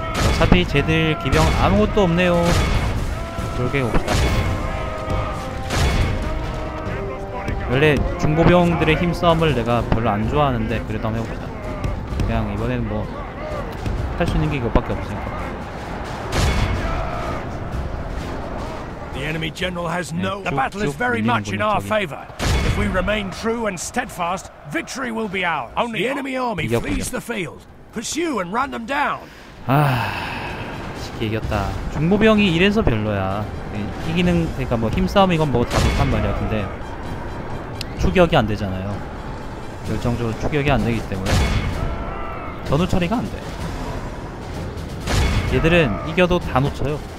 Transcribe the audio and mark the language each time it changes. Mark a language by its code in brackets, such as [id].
[ko] 어차피 쟤들 기병 아무것도 없네요. 그렇게 봅시다. 원래 중고병들의 힘싸움을 내가 별로 안 좋아하는데 그래도 한번 해봅시다. 그냥 이번에는 뭐 할 수 있는 게 이것밖에 없으니까. [en] The enemy general has no. The battle is very much in our favor. If we remain true and steadfast, victory will be ours. Only the enemy army flees the field. Pursue and run them down. [ko] 아, 쉽게 이겼다. 중보병이 이래서 별로야. 이기는 그러니까 뭐 힘싸움 이건 뭐 다 못한 말이야. 근데 추격이 안 되잖아요. 열정적으로 추격이 안 되기 때문에 전후 처리가 안 돼. 얘들은 이겨도 다 놓쳐요.